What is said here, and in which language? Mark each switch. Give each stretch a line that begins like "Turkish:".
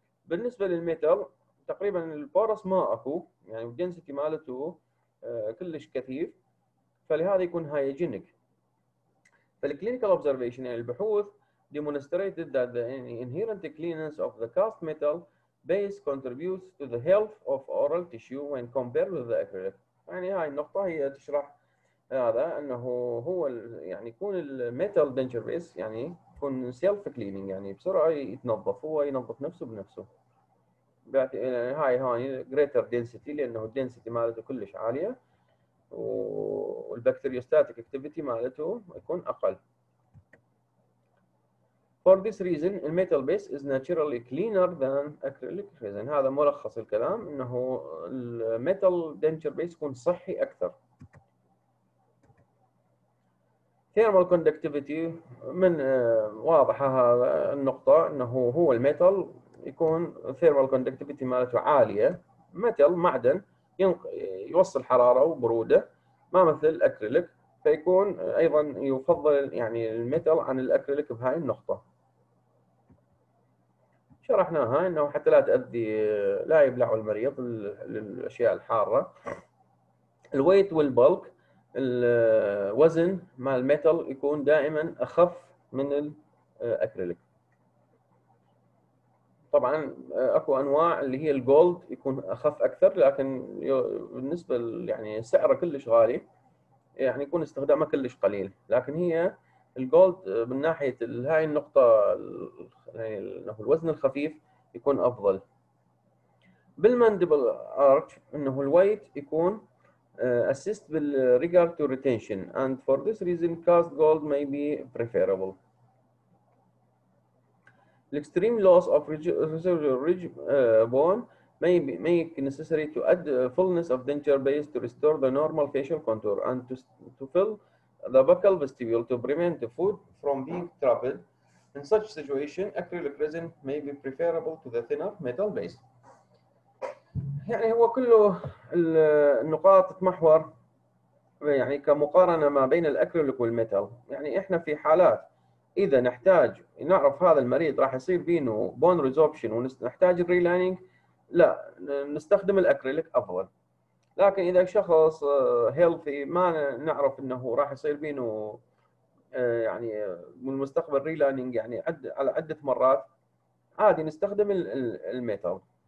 Arabic: بالنسبه للميتال تقريبا البورس ما اكو يعني الدنسيتي مالته كلش كثيف، فلهذا يكون هايجينيك. فالكلينيكال اوبزرفيشن يعني البحوث
English: demonstrated that the inherent cleanness of the cast metal base contributes to the health of oral tissue when compared with the acrylic.
Arabic: يعني هاي النقطه هي تشرح هذا انه هو يعني يكون الميتال دنتشر بيس يعني يكون سيلف كليننج يعني بسرعه يتنظف هو ينظف نفسه بنفسه. هاي هون جريتر دنسيتي لانه الدنسيتي مالته كلش عاليه والبكتيريوستاتيك اكتيفيتي مالته يكون اقل.
English: For this reason, the metal base is naturally cleaner than acrylic resin.
Arabic: هذا ملخص الكلام إنه
English: metal denture base
Arabic: يكون صحي أكثر. Thermal conductivity من واضح هذا النقطة إنه هو الميتال يكون thermal conductivity مالته عالية. ميتال معدن يوصل حرارة وبرودة ما مثل الأكريليك فيكون أيضا يفضل يعني الميتال عن الأكريليك بهاي النقطة. شرحناها إنه حتى لا تأذي لا يبلع المريض الأشياء الحارة. الويت والبلك الوزن مع الميتال يكون دائما أخف من الأكريليك. طبعا أكو أنواع اللي هي الجولد يكون أخف أكثر لكن بالنسبة يعني سعره كلش غالي يعني يكون استخدامه كلش قليل، لكن هي الجولد من ناحية هاي النقطة يعني الوزن الخفيف يكون أفضل. بالمانديبل أرتش إنه الويت يكون
English: assist with regard to retention and for this reason cast gold may be preferable. Extreme loss of ridge bone may make necessary to add fullness of denture base to restore the normal facial contour and to fill the buccal vestibule to prevent the food from being trapped. In such situation acrylic resin may be preferable to the thinner metal base.
Arabic: يعني هو كله النقاط تمحور يعني كمقارنة ما بين الأكريليك والميتال. يعني إحنا في حالات إذا نحتاج نعرف هذا المريض راح يصير بينه بون ريزوبشن ونحتاج الريلاينينج لا نستخدم الأكريليك أفضل، لكن إذا شخص هيلثي ما نعرف إنه راح يصير بينه يعني بالمستقبل ريلاينينج يعني على عدة مرات عادي نستخدم الميتال.